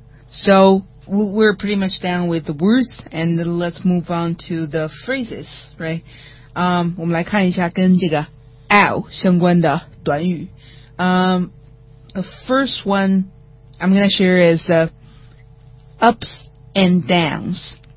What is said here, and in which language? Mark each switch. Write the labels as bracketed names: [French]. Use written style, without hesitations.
[English] So we're pretty much done with the words, and let's move on to the phrases, right? [Chinese] 我们来看一下跟这个 ow 相关的短语。 [English] The first one I'm going to share is ups and downs.